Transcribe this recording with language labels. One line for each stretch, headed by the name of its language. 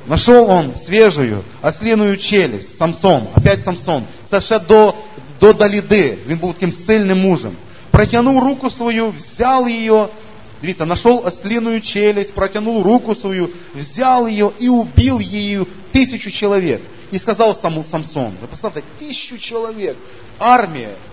Russian: Нашел он свежую ослиную челюсть, Самсон, опять Самсон.
Ukrainian: Це ще до Даліди, він був таким сильним мужем.
Russian: Протянув руку свою, взял ее, дивіться, нашел ослиную челюсть, протянув руку свою, взял ее и убил ею 1000 человек. И сказал Самсон, вы представьте, 1000 человек, армия.